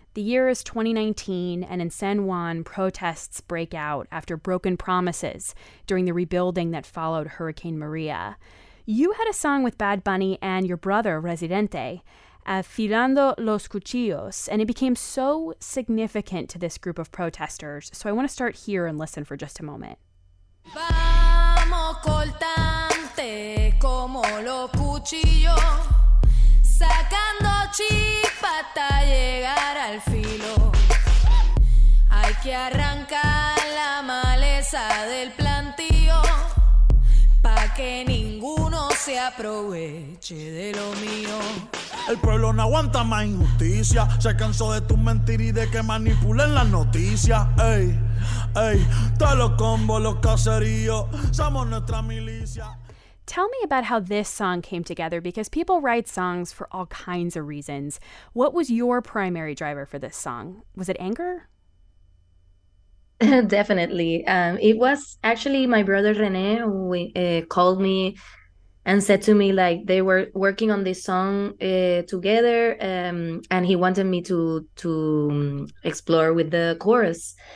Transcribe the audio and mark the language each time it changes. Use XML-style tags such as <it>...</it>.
<en>The year is 2019, and in San Juan, protests break out after broken promises during the rebuilding that followed Hurricane Maria. You had a song with Bad Bunny and your brother, Residente, Afilando los Cuchillos, and it became so significant to this group of protesters. So I want to start here and listen for just a moment.</en> <es>Vamos cortante como los cuchillos, sacando chispa hasta llegar al filo. Hay que arrancar la maleza del plantío, pa' que ninguno se aproveche de lo mío. El pueblo no aguanta más injusticia. Se cansó de tus mentiras y de que manipulen las noticias. Ey, ey, todos los combos, los caseríos, somos nuestra milicia.</es> <en>Tell me about how this song came together, because people write songs for all kinds of reasons. What was your primary driver for this song? Was it anger? Definitely. It was actually my brother René who called me and said to me, like, they were working on this song together, and he wanted me to explore with the chorus.</en>